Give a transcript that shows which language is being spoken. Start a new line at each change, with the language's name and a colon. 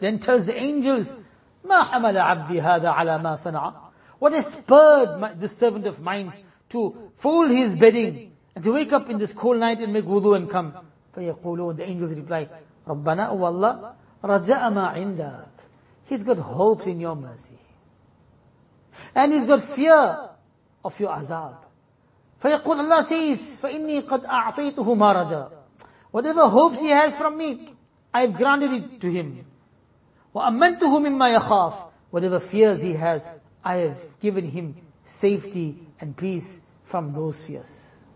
English: Then tells the angels,
Arabic: مَا حَمَلَ عَبْدِي هَذَا عَلَى مَا صَنَعَ.
English: What has spurred the servant of mine to fold his bedding and to wake up in this cold night and make wudu and come?
Arabic: فَيَقُولُونَ.
English: The angels reply,
Arabic: رَبَّنَا وَاللَّهُ رَجَّأَ مَا عِنْدَكَ.
English: He's got hopes in your mercy. And he's got fear of your azab.
Arabic: فَيَقُولْ.
English: Allah says,
Arabic: فَإِنِّي قَدْ أَعْطَيْتُهُ مَا رَجَى.
English: Whatever hopes he has from me, I've granted it to him.
Arabic: وَأَمَّنْتُهُ مِمَّا يَخَافُ.
English: Whatever fears he has, I have given him safety and peace from those fears.